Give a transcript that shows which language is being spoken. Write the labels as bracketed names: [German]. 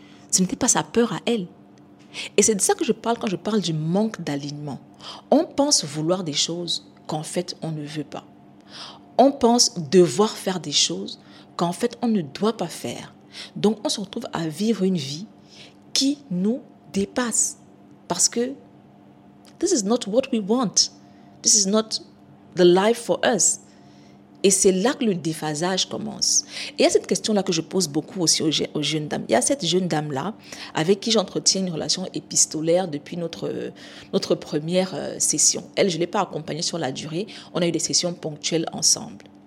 [French] Ce n'était pas sa peur à elle. Et c'est de ça que je parle quand je parle du manque d'alignement. On pense vouloir des choses qu'en fait, on ne veut pas. On pense devoir faire des choses qu'en fait, on ne doit pas faire. Donc, on se retrouve à vivre une vie qui nous dépasse. Parce que [English] this is not what we want. This is not the life for us. [French] Et c'est là que le déphasage commence. Et il y a cette question-là que je pose beaucoup aussi aux jeunes dames. Il y a cette jeune dame-là avec qui j'entretiens une relation épistolaire depuis notre première session. Elle, je ne l'ai pas accompagnée sur la durée. On a eu des sessions ponctuelles ensemble.